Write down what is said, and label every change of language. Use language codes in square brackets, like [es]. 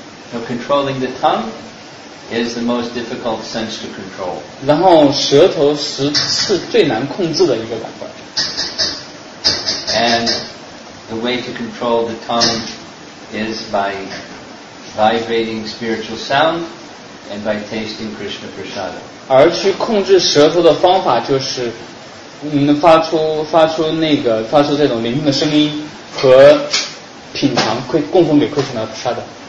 [en] Now, controlling the tongue is the most difficult sense to control. [zh] 然后舌头实是最难控制的一个感官。 [en] And the way to control the tongue is by vibrating spiritual sound and by tasting Krishna Prasada. [zh] 而去控制舌头的方法就是，发出这种灵性的声音和品尝供奉给 Krishna Prasada。